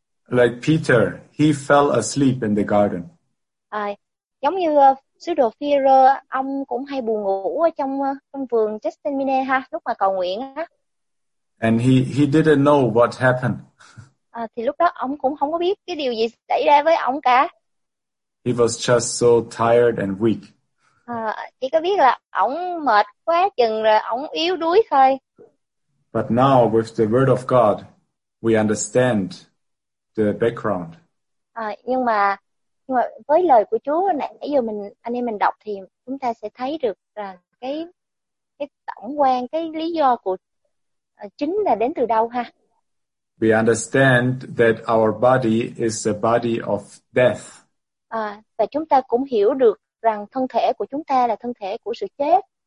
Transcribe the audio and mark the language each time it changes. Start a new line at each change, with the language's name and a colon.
English: Like Peter, he fell asleep in the garden.
Vietnamese: Giống như sứ đồ Phi-rơ, ông cũng hay buồn ngủ ở trong vườn Gethsemane ha, lúc mà cầu nguyện á.
English: And he didn't know what happened.
Vietnamese: Thì lúc đó ông cũng không có biết cái điều gì xảy ra với ông cả.
English: He was just so tired and weak.
Vietnamese: Chỉ có biết là ông mệt quá chừng rồi, ông yếu đuối thôi.
English: But now with the word of God, we understand the background.
Vietnamese: Nhưng mà với lời của Chúa nãy giờ anh em mình đọc thì chúng ta sẽ thấy được là cái tổng quan, cái lý do của chính là đến từ đâu ha.
English: We understand that our body is a body of death.
Vietnamese: À, và chúng ta cũng hiểu được rằng thân thể của chúng ta là thân thể của sự chết.